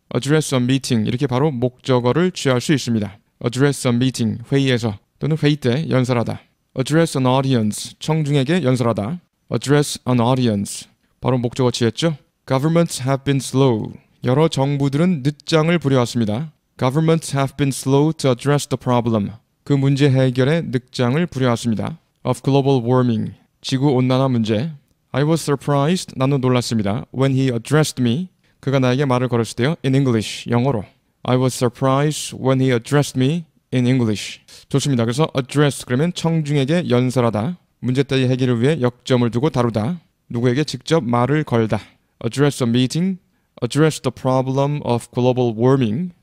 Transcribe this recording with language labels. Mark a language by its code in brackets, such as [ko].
[en] Address a meeting, [ko] 이렇게 바로 목적어를 취할 수 있습니다. [en] Address a meeting, [ko] 회의에서, 또는 회의 때 연설하다. [en] Address an audience, [ko] 청중에게 연설하다. [en] Address an audience, [ko] 바로 목적어 취했죠? [en] Governments have been slow. [ko] 여러 정부들은 늦장을 부려왔습니다. [en] Governments have been slow to address the problem. [ko] 그 문제 해결에 늦장을 부려왔습니다. [en] Of global warming. [ko] 지구 온난화 문제. [en] I was surprised. [ko] 나는 놀랐습니다. [en] When he addressed me. [ko] 그가 나에게 말을 걸었을 때요. [en] In English. [ko] 영어로. [en] I was surprised when he addressed me in English. [ko] 좋습니다. 그래서 address 그러면 청중에게 연설하다. 문제 따위 해결을 위해 역점을 두고 다루다. 누구에게 직접 말을 걸다. [en] Address a meeting, address the problem of global warming.